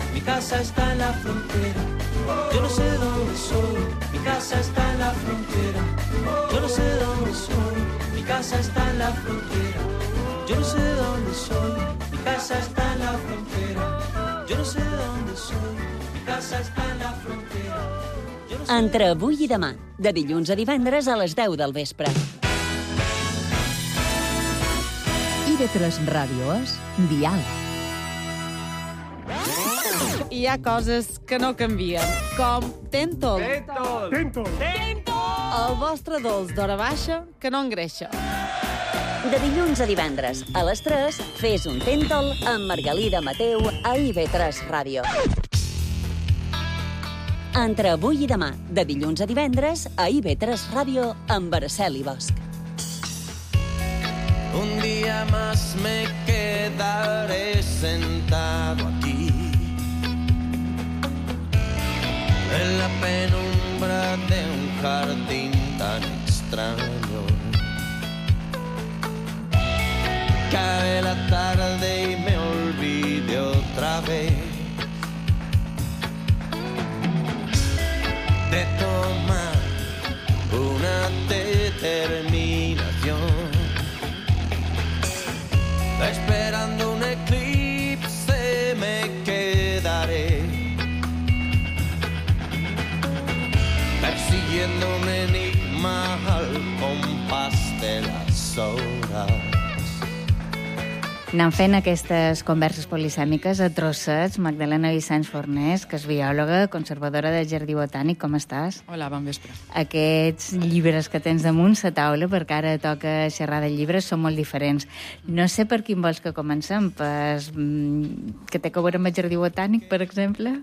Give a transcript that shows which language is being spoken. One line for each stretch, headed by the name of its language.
Spanish: Mi casa está en la frontera. Yo no sé de dónde soy. Mi casa está en la frontera. Yo no sé de dónde soy. Mi casa está en la frontera. Yo no sé de dónde soy. Mi casa está en la frontera. Yo no sé de dónde soy. Mi casa está en la frontera.
Catalan: Entre avui i demà, de dilluns a divendres a les 10 del vespre. Tres ràdios, dial. Hi ha coses que no canvien, com Tèntol. Tèntol! Tèntol! Tèntol! El vostre dolç d'hora baixa que no engreixa. De dilluns a divendres, a les 3, fes un Tèntol amb Margalida Mateu a IB3 Ràdio. Entre avui i demà, de dilluns a divendres, a IB3 Ràdio amb Araceli Bosch.
Spanish: Un día más me quedaré sentado aquí, en la penumbra de un jardín tan extraño. Cae la tarde y me olvide otra vez de tomar una determinación. Esperando un eclipse me quedaré, persiguiendo un enigma al compás de las horas.
Catalan: Anant fent aquestes converses polisèmiques a trossets, Magdalena Vicenç Fornés, que és biòloga, conservadora del Jardí Botànic, com estàs? Hola, bon vespre. Aquests llibres que tens damunt sa taula, perquè ara toca xerrar de llibres, són molt diferents. No sé per quin vols que comencem, que té que veure amb el Jardí Botànic, per exemple?